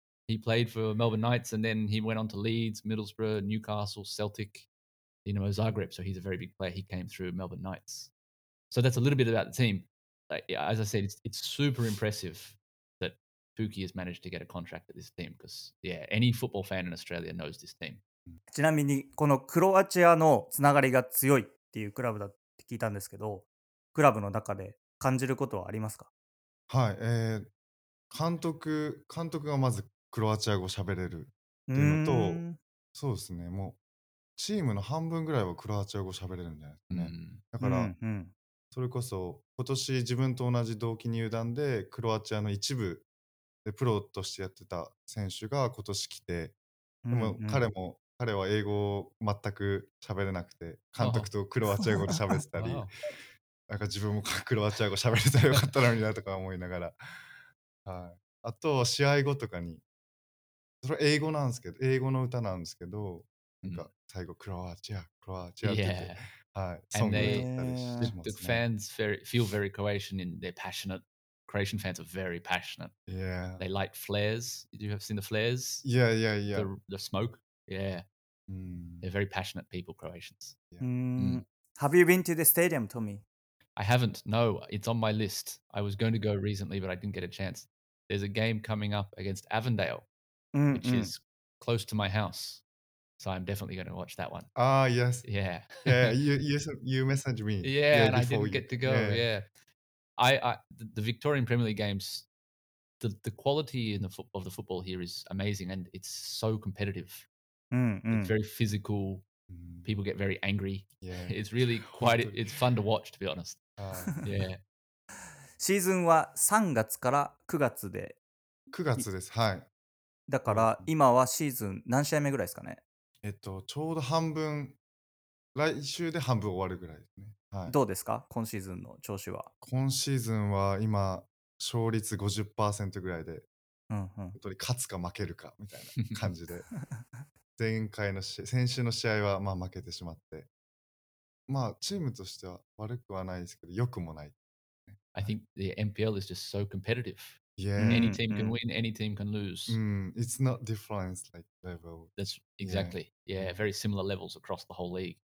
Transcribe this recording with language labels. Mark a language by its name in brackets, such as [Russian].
[English] He played for Melbourne Knights, and then he went on to Leeds, Middlesbrough, Newcastle, Celtic, Dinamo Zagreb. So he's a very big player. He came through Melbourne Knights. So that's a little bit about the team. Like, as I said, it's super impressive that Fuki has managed to get a contract at this team, because, yeah, any football fan in Australia knows this team. [Japanese] ちなみにこのクロアチアのつながりが強いっていうクラブだって聞いたんですけど、クラブの中で感じることはありますか？はい、監督がまずクロアチア語喋れるっていうのと、そうですね、もうチームの半分ぐらいはクロアチア語喋れるんじゃないですかね。だから、うんうん、それこそ今年自分と同じ同期入団でクロアチアの一部でプロとしてやってた選手が今年来て、でも彼は英語を全く喋れなくて、監督とクロアチア語で喋ってたり、なんか自分もクロアチア語喋れたらよかったのになとか思いながら、はい、あと試合後とかに、それ英語なんですけど、英語の歌なんですけど、なんか最後クロアチア、クロアチアって、はい、ソングだったりしますね。 [English] The fans feel very Croatian and they're passionate. Croatian fans are very passionate. Yeah. They light flares. You have seen the flares? Yeah, yeah, yeah. The smoke? Yeah.、 Mm. They're very passionate people, Croatians. Yeah. Mm. Have you been to the stadium, Tommy? I haven't. No, it's on my list. I was going to go recently, but I didn't get a chance. There's a game coming up against Avondale, which is close to my house. So I'm definitely going to watch that one. Ah, yes. Yeah. Yeah, you messaged me. Yeah, and I didn't get to go. Yeah. The Victorian Premier League games, the quality in of the football here is amazing, and it's so competitive. Mm-hmm. It's very physical. Mm-hmm. People get very angry. Yeah. It's really quite, it's fun to watch, to be honest. Yeah. [Japanese] シーズンは3月から9月で。 9月です。はい。だから今はシーズン何試合目ぐらいですかね？ちょうど半分、来週で半分終わるぐらいですね。はい、どうですか今シーズンの調子は。今シーズンは今勝率 50% ぐらいで、うんうん、勝つか負けるかみたいな感じで前回の先週の試合はまあ負けてしまって、まあチームとしては悪くはないですけど良くもない。 [English] I think the NPL is just so competitive. Yeah. Any team can win, any team can lose. It's not different like level. That's exactly. Yeah, very similar levels across the whole league.